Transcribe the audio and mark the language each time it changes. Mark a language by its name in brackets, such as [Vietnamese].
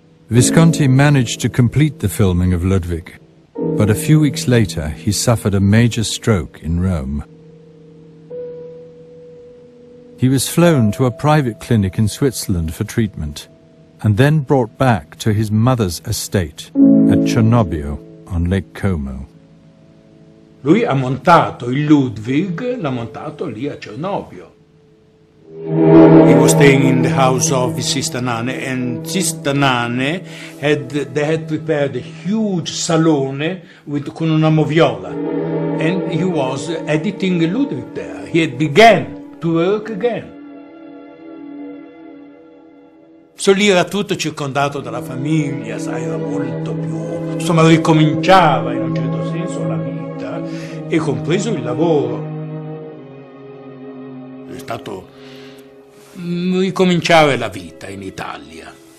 [English] Visconti managed to complete the filming of Ludwig, but a few weeks later he suffered a major stroke in Rome. He was flown to a private clinic in Switzerland for treatment, and then brought back to his mother's estate at Cernobbio on Lake Como. [Italian] Lui ha montato il Ludwig, l'ha montato lì a Cernobbio. [English] He was staying in the house of his sister Nane, and sister Nane they had prepared a huge salone [Italian] con una moviola, [English] and he was editing Ludwig there. He had began to work again. [Italian] So lì era tutto circondato dalla famiglia, sai, era molto più, insomma, ricominciava in un certo senso la vita, e compreso il lavoro. È stato ricominciare la vita in Italia.